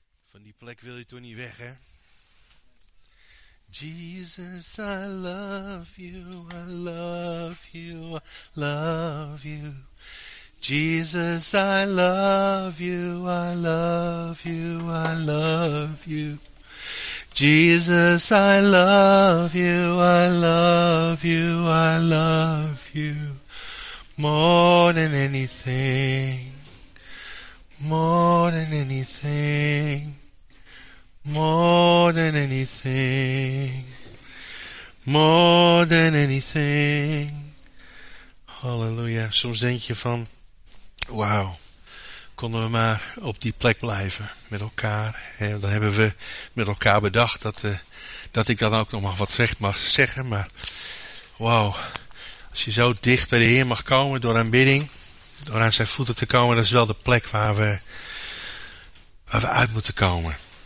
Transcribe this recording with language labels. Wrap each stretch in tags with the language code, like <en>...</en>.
<nl>Van die plek wil je toch niet weg, hè?</nl> <en>Jesus, I love you, I love you, I love you. Jesus, I love you, I love you, I love you. Jesus, I love you, I love you, I love you. More than anything, more than anything, more than anything, more than anything. Hallelujah.</en> <nl>Soms denk je van, wauw, konden we maar op die plek blijven met elkaar. En dan hebben we met elkaar bedacht dat ik dan ook nog maar wat recht mag zeggen. Maar wauw, als je zo dicht bij de Heer mag komen door aanbidding, door aan zijn voeten te komen, dat is wel de plek waar we uit moeten komen.</nl>